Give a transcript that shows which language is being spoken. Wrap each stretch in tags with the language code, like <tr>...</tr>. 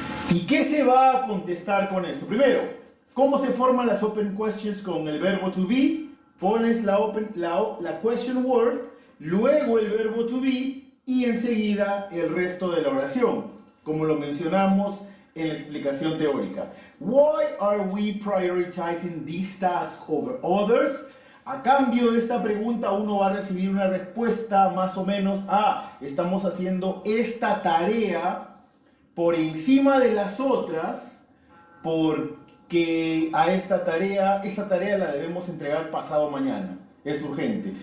<es>¿Y qué se va a contestar con esto? Primero, ¿cómo se forman las open questions con el verbo to be? Pones la question word. Luego el verbo to be y enseguida el resto de la oración, como lo mencionamos en la explicación teórica.</es> <en>Why are we prioritizing this task over others?</en> <es>A cambio de esta pregunta, uno va a recibir una respuesta más o menos, estamos haciendo esta tarea por encima de las otras, porque a esta tarea la debemos entregar pasado mañana. Es urgente.</es>